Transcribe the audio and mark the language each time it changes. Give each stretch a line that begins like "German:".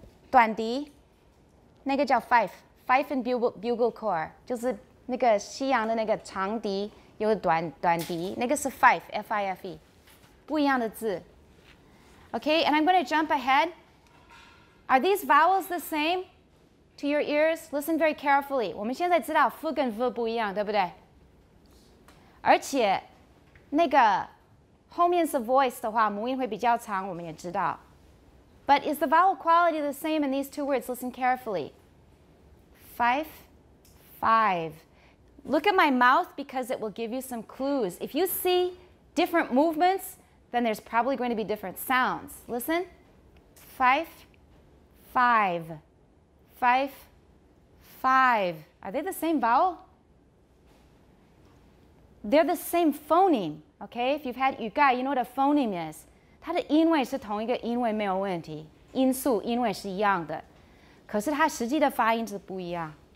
Chinese: 短笛,那个叫 5,
English: 5 in bugle core,
Chinese: 就是那个西洋的那个长笛,有短笛,那个是 5, F-I-F-E, 不一样的字.
English: Okay, and I'm going to jump ahead. Are these vowels the same to your ears? Listen very carefully.
Chinese: 我们现在知道 f 跟 v 不一样,对不对? 而且那个后面是 voice的话, 母音会比较长, 我们也知道.
English: But is the vowel quality the same in these two words? Listen carefully. Five, five. Look at my mouth because it will give you some clues. If you see different movements, then there's probably going to be different sounds. Listen. Five, five. Five, five. Are they the same vowel? They're the same phoneme, okay? If you've had yuga, you know what a phoneme is.
Chinese: 它的音位是同一个音位没有问题, 音素音位是一样的, 可是它实际的发音是不一样.